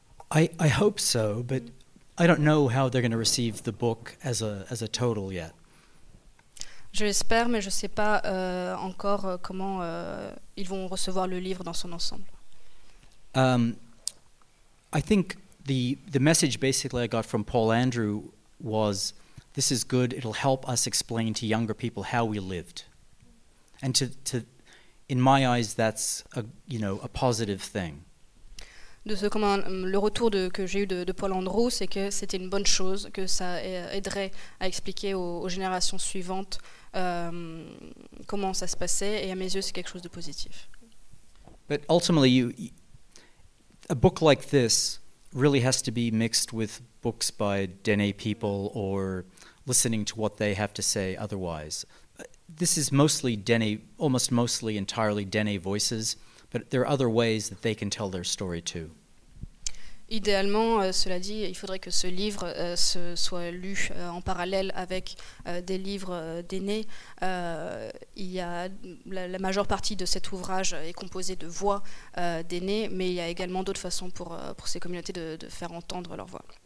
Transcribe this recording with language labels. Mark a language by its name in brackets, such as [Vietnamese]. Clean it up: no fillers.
[English] I hope so, but I don't know how they're going to receive the book as a total yet. [French] J'espère, mais je ne sais pas encore comment ils vont recevoir le livre dans son ensemble. [English] I think the message basically I got from Paul Andrew was, this is good, it'll help us explain to younger people how we lived. And to in my eyes, that's a positive thing. [French] Le retour que j'ai eu de Paul Andrew, c'est que c'était une bonne chose, que ça aiderait à expliquer aux générations suivantes comment ça se passait, et à mes yeux, c'est quelque chose de positif. [English] But ultimately, a book like this really has to be mixed with books by Dene people or listening to what they have to say otherwise. This is mostly Dene, almost mostly entirely Dene voices, but there are other ways that they can tell their story too. [French] Idéalement, cela dit, il faudrait que ce livre se soit lu en parallèle avec des livres d'aînés. Il y a la majeure partie de cet ouvrage est composée de voix d'aînés, mais il y a également d'autres façons pour ces communautés de faire entendre leur voix.